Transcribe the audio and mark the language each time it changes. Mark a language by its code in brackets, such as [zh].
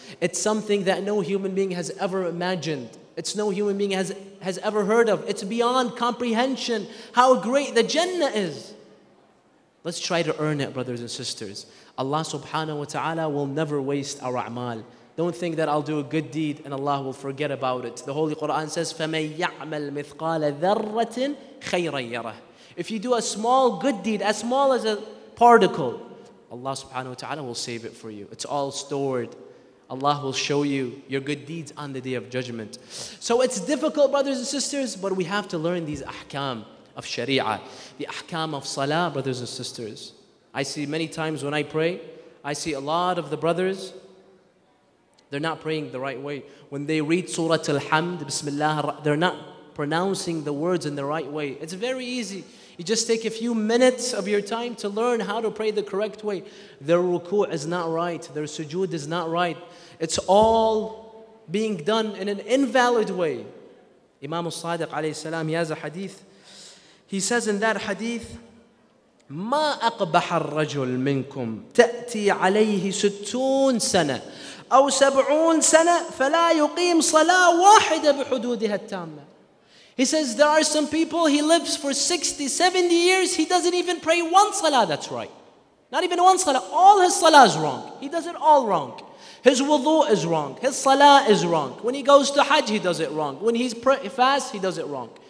[en] It's something that no human being has ever imagined. It's no human being has ever heard of. It's beyond comprehension how great the Jannah is. Let's try to earn it, brothers and sisters. Allah subhanahu wa ta'ala will never waste our a'mal. Don't think that I'll do a good deed and Allah will forget about it. The Holy Quran says, [ar] فَمَنْ يَعْمَلْ مِثْقَالَ ذَرَّةٍ خَيْرًا يَرَهُ. [en] If you do a small good deed, as small as a particle, Allah subhanahu wa ta'ala will save it for you. It's all stored. Allah will show you your good deeds on the day of judgment. So it's difficult, brothers and sisters, but we have to learn these ahkam of sharia, the ahkam of salah, brothers and sisters. I see many times when I pray, I see a lot of the brothers, they're not praying the right way. When they read Surah Al-Hamd, Bismillah, they're not pronouncing the words in the right way. It's very easy. You just take a few minutes of your time to learn how to pray the correct way. Their ruku' is not right. Their sujood is not right. It's all being done in an invalid way. Imam al-Sadiq alayhi salam, he has a hadith. He says in that hadith, [ar] ما أقبح الرجل منكم تأتي عليه ستون سنة أو سبعون سنة فلا يقيم صلاة واحدة بحدودها التامة. [en] He says there are some people, he lives for 60, 70 years, he doesn't even pray one salah that's right. Not even one salah. All his salah is wrong. He does it all wrong. His wudu is wrong. His salah is wrong. When he goes to hajj, he does it wrong. When he's fast, he does it wrong.